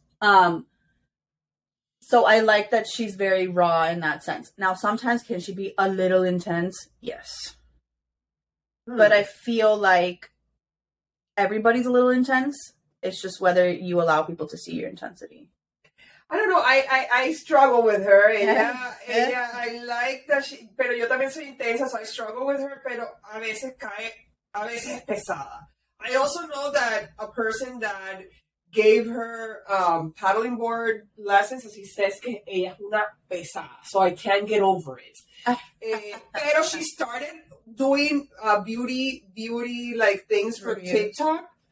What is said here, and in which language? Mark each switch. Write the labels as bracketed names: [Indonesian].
[English] So I like that she's very raw in that sense. Now, sometimes can she be a little intense? Yes. Hmm. But I feel like everybody's a little intense. It's just whether you allow people to see your intensity. I don't know. I struggle with her. Ella, I like that she... [Spanish] Pero yo también soy intensa, [English] so I struggle with her. [Spanish] Pero a veces cae... A veces es pesada. [English] I also know that a person that gave her paddling board lessons, as he says, [Spanish] que ella es una pesada. [English] So I can't get over it. pero she started doing beauty like things for TikTok.